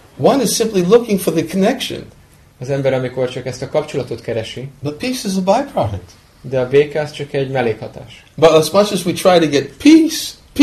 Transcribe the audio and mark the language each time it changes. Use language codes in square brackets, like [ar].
[en] One is simply looking for the connection. [hu] Az ember, amikor csak ezt a kapcsolatot keresi. [en] But peace is a byproduct. [hu] De a béke az csak egy mellékhatás. [en] But as much as we try to get peace.